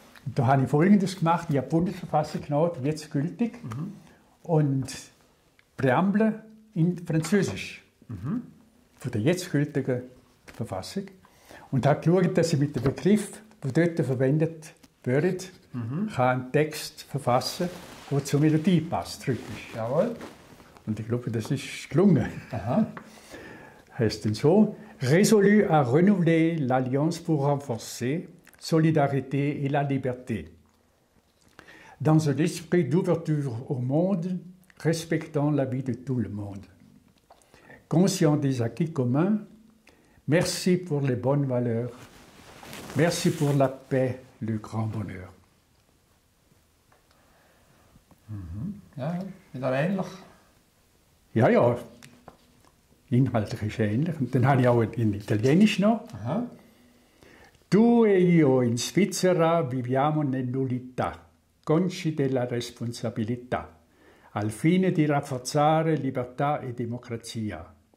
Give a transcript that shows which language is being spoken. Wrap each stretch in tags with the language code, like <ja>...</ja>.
<de>Und da habe ich Folgendes gemacht, ich habe die Bundesverfassung genommen, die jetzt gültig, und Präambel in Französisch, von der jetzt gültigen Verfassung, und habe geschaut, dass ich mit dem Begriff, der dort verwendet wird, kann einen Text verfassen, der zur Melodie passt, rhythmisch. Jawohl. Und ich glaube, das ist gelungen. Heißt denn so:</de> <fr>Résolu à renouveler l'alliance pour renforcer solidarité et la liberté. Dans un esprit d'ouverture au monde, respectant la vie de tout le monde. Conscient des acquis communs, merci pour les bonnes valeurs. Merci pour la paix, le grand bonheur.</fr> <de>Ja, wieder ähnlich. Ja, ja. Inhaltlich ist ähnlich. Und dann habe ich auch in Italienisch noch. Aha.</de> <it>Tu e io in Svizzera viviamo nell'unità, consci della responsabilità, al fine di rafforzare libertà e democrazia.</it>